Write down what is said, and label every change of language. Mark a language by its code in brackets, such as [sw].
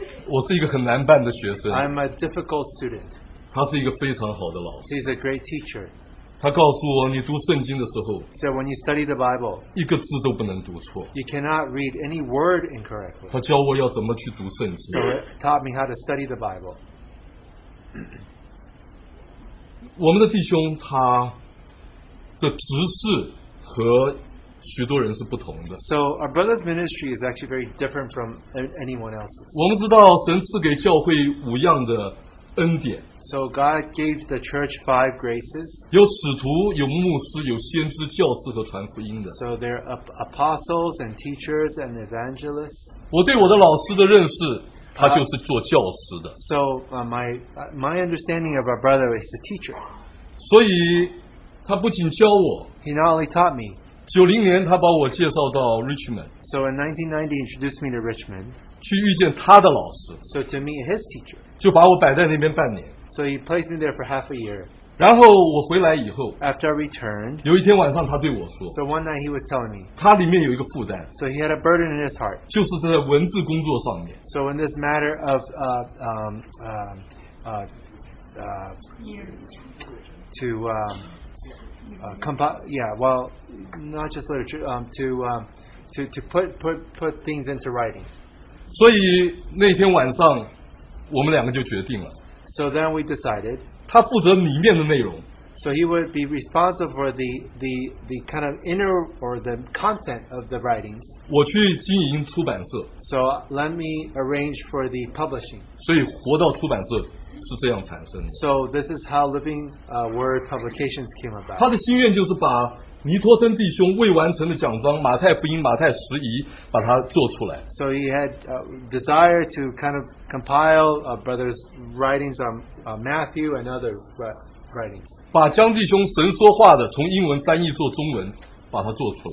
[zh] 我是一个很难办的学生。 [en] I'm a difficult student. [zh] 他是一个非常好的老师。 [en] He's a great teacher. [zh] 他告诉我，你读圣经的时候， [en] so when you study the Bible, [zh] 一个字都不能读错。 [en] You cannot read any word incorrectly. [zh] 他教我要怎么去读圣经。 [en] So it taught me how to study the Bible. [zh] 我们的弟兄他的执事和 许多人是不同的, [en] so our brother's ministry is actually very different from anyone else's. [zh] 我们知道神赐给教会五样的恩典, [en] so God gave the church 5 graces. [zh] 有使徒, 有牧师, 有先知, 教师和传福音的, [en] so there are apostles and teachers and evangelists. [zh] 我对我的老师的认识, 他就是做教师的, [en] so my understanding of our brother is a teacher. [zh] 所以他不仅教我, [en] he not only taught me. [zh] 90年他把我介绍到 Richmond, [en] so in 1990 introduced me to Richmond, [zh] 去遇见他的老师, [en] so to meet his teacher, [zh] 就把我摆在那边半年, [en] so he placed me there for half a year. [zh] 然后我回来以后 [en] After I returned, [zh] 有一天晚上他对我说 [en] So one night he was telling me [zh] 他里面有一个负担 [en] So he had a burden in his heart [zh] 就是在文字工作上面 [en] So in this matter of to put things into writing [zh] 所以那天晚上我们两个就决定了 [en] So then we decided [zh] 他负责里面的内容 [en] So he would be responsible for the kind of inner or the content of the writings [zh] 我去经营出版社 [en] So let me arrange for the publishing [zh] 所以活到出版社是这样产生的 [en] So this is how Living Word Publications came about [zh] 他的心愿就是把尼托森弟兄未完成的讲章马太福音马太十一把它做出来 [en] So he had a desire to kind of compile brother's writings onMatthew and other writings. [zh] 把江弟兄神说话的从英文翻译做中文，把它做出来。